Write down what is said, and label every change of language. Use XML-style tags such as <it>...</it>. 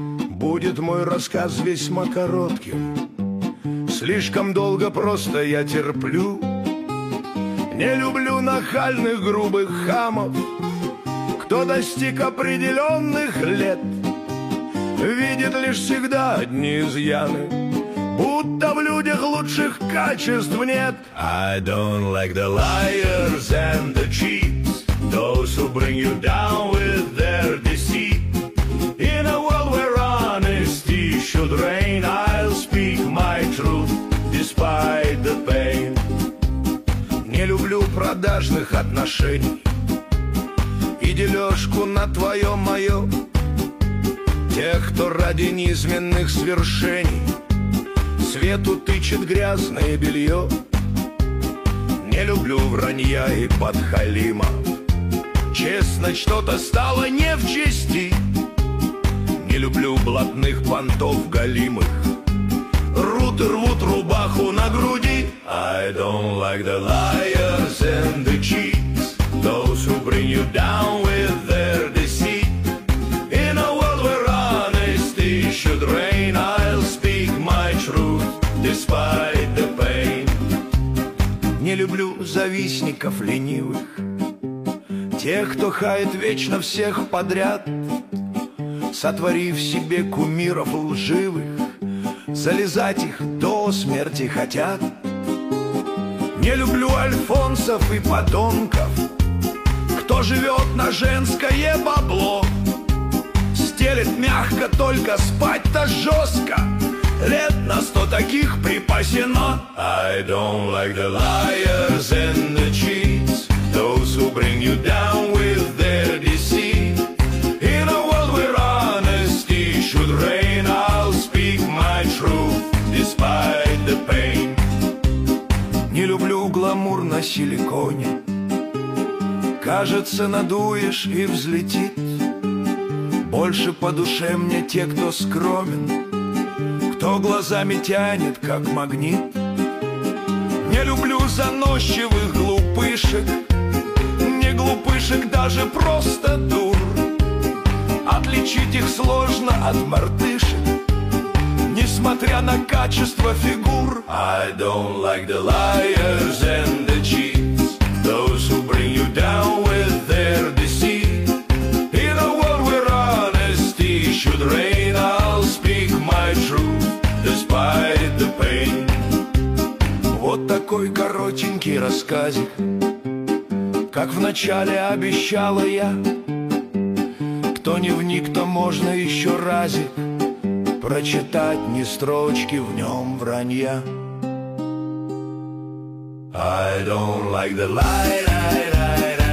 <ru>Будет мой рассказ весьма коротким, слишком долго просто я терплю. Не люблю нахальных грубых хамов, кто достиг определенных лет, видит лишь всегда одни изъяны, будто в людях лучших качеств нет.</ru> <en>I don't like the liars and the cheats, those who bring you down with their deceit. In a world where honesty should reign, I'll speak my truth despite the pain.</en> <ru>Не люблю продажных отношений и дележку на твое мое. Тех, кто ради низменных свершений свету тычет грязное белье. Не люблю вранья и подхалима, честно, что-то стало не в чести. Не люблю блатных понтов галимых, рут рвут рубаху на груди.</ru> <en>I don't like the liars and the cheats, those who bring you down with their deceit. In a world where honesty should reign, I'll speak my truth despite the pain.</en> <ru>Не люблю завистников ленивых, тех, кто хает вечно всех подряд. Сотворив себе кумиров лживых, залезать их до смерти хотят. Не люблю альфонсов и подонков, кто живет на женское бабло. Стелет мягко, только спать-то жестко, лет на сто таких припасено.</ru> <en>I don't like the liars and the cheats, those who bring you down with their deceit. In a world where honesty should reign, I'll speak my truth despite the pain.</en> <ru>Не люблю гламур на силиконе, кажется, надуешь и взлетит. Больше по душе мне те, кто скромен, кто глазами тянет, как магнит. Не люблю заносчивых глупышек, не глупышек, даже просто дур. Отличить их сложно от мартышек, несмотря на качество фигур.</ru> <en>I don't like the liars and the cheats, those who bring you down with their deceit. In a world where honesty should reign, I'll speak my truth despite the pain.</en> <ru>Вот такой коротенький рассказик, как вначале обещала я. Кто не вник, то можно еще разик прочитать, ни строчки в нем вранья.</ru> <en>I don't like the lie, lie, lie.</en>